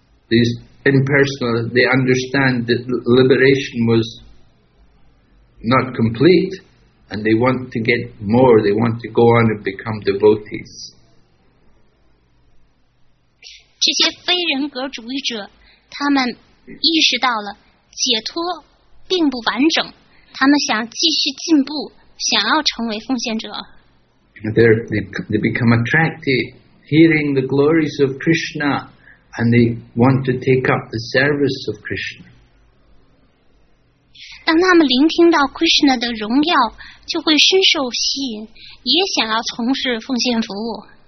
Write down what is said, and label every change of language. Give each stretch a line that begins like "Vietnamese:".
English: These impersonal, they understand that liberation was not complete, and they want to get more. They want to go on and become devotees.
Chinese: 这些非人格主义者，他们意识到了解脱并不完整，他们想继续进步，想要成为奉献者。
English: They become attracted, hearing the glories of Krishna, and they want to take up the service of Krishna.
Chinese: 当他们聆听到 Krishna 的荣耀，就会深受吸引，也想要从事奉献服务。